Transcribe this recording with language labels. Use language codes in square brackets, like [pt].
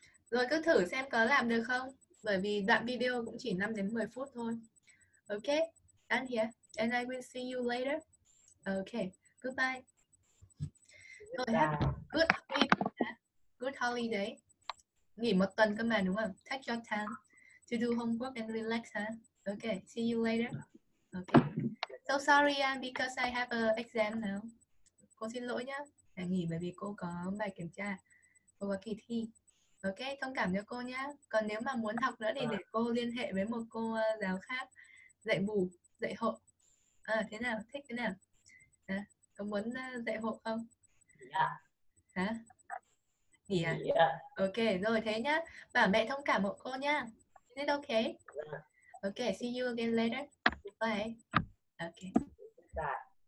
[vi] Rồi, cứ thử xem có làm được không? Bởi vì đoạn video cũng chỉ 5 đến 10 phút thôi. [en] Ok, I'm here. And I will see you later. Ok, goodbye. Rồi, good holiday. [vi] Nghỉ một tuần cơ mà đúng không? [en] Take your time to do homework and relax, huh? Okay, see you later. Okay. So sorry, because I have a exam now. [vi] Cô xin lỗi nhá. Hãy nghỉ bởi vì cô có bài kiểm tra. Cô có kỳ thi. Okay, thông cảm cho cô nhá. Còn nếu mà muốn học nữa thì để cô liên hệ với một cô giáo khác dạy bù, dạy hộ. À, thế nào? Thích thế nào? À, có muốn dạy hộ không? [en] Yeah. [vi] Hả? Nghỉ à? [en] Yeah. [vi] Okay, rồi thế nhá. Bảo mẹ thông cảm hộ cô nhá. [en] Is it okay? Okay, see you again later. Bye. Okay.